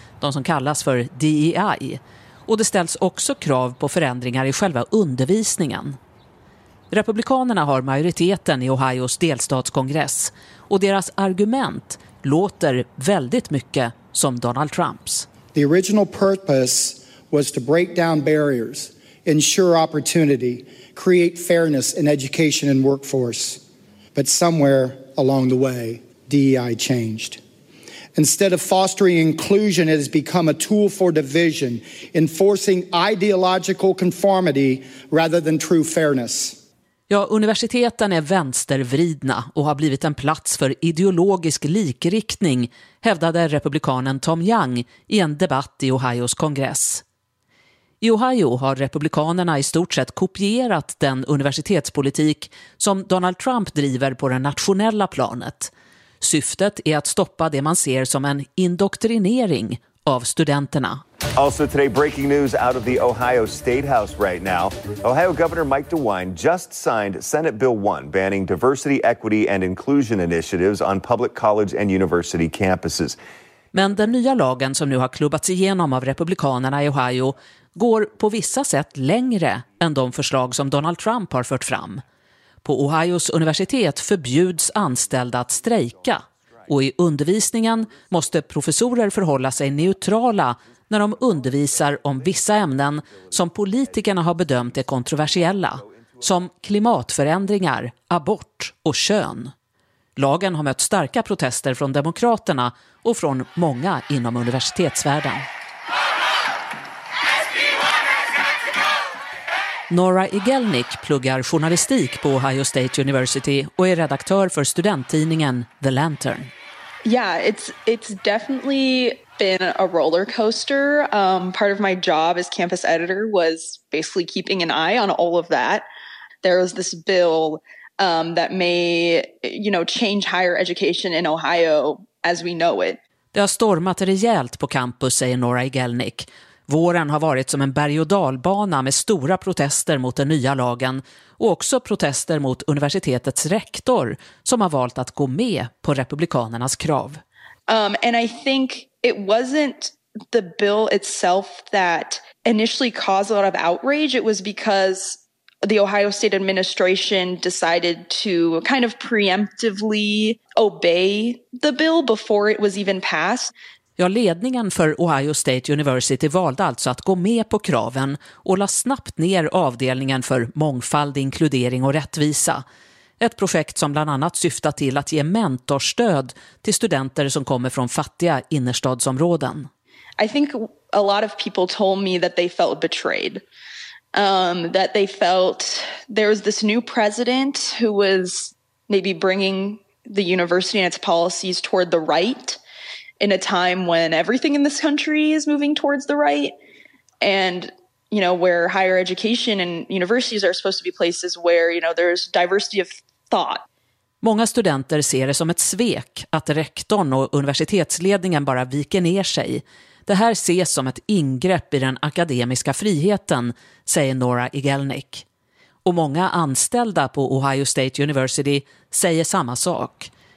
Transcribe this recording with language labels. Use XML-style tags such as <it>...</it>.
<sv>De som kallas för DEI. Och det ställs också krav på förändringar i själva undervisningen. Republikanerna har majoriteten i Ohios delstatskongress och deras argument låter väldigt mycket som Donald Trumps.</sv> <en>The original purpose was to break down barriers, ensure opportunity, create fairness in education and workforce. But somewhere along the way, DEI changed. Instead of fostering inclusion, it has become a tool for division, enforcing ideological conformity rather than true fairness.</en> <sv>Ja, universiteten är vänstervridna och har blivit en plats för ideologisk likriktning, hävdade republikanen Tom Young i en debatt i Ohios kongress. I Ohio har republikanerna i stort sett kopierat den universitetspolitik som Donald Trump driver på det nationella planet. Syftet är att stoppa det man ser som en indoktrinering av studenterna.</sv> <en>Also today, breaking news out of the Ohio State House right now. Ohio Governor Mike DeWine just signed Senate Bill 1 banning diversity, equity and inclusion initiatives on public college and university campuses.</en> <sv>Men den nya lagen som nu har klubbats igenom av republikanerna i Ohio går på vissa sätt längre än de förslag som Donald Trump har fört fram. På Ohios universitet förbjuds anställda att strejka. Och i undervisningen måste professorer förhålla sig neutrala när de undervisar om vissa ämnen som politikerna har bedömt är kontroversiella, som klimatförändringar, abort och kön. Lagen har mött starka protester från demokraterna och från många inom universitetsvärlden. Nora Igelnik pluggar journalistik på Ohio State University och är redaktör för studenttidningen The Lantern.</sv> <en>Yeah, it's definitely been a roller coaster. Part of my job as campus editor was basically keeping an eye on all of that. There was this bill that may, you know, change higher education in Ohio as we know it.</en> <sv>Det har stormat rejält på campus, säger Nora Igelnik. Våren har varit som en berg- och dalbana med stora protester mot den nya lagen och också protester mot universitetets rektor som har valt att gå med på republikanernas krav.</sv> <en>And I think it wasn't the bill itself that initially caused a lot of outrage. It was because the Ohio State administration decided to kind of preemptively obey the bill before it was even passed.</en> <sv>Ja, ledningen för Ohio State University valde alltså att gå med på kraven och la snabbt ner avdelningen för mångfald, inkludering och rättvisa. Ett projekt som bland annat syftar till att ge mentorstöd till studenter som kommer från fattiga innerstadsområden.</sv> <en>I think a lot of people told me that they felt betrayed. That they felt there was this new president who was maybe bringing the university and its policies toward the right in a time when everything in this country is moving towards the right. And, you know, where higher education and universities are supposed to be places where, you know, there's diversity of thought.</en> <sv>Många studenter ser det som ett svek att rektorn och universitetsledningen bara viker ner sig. Det här ses som ett ingrepp i den akademiska friheten, säger Nora Igelnik. Och många anställda på Ohio State University säger samma sak.</sv>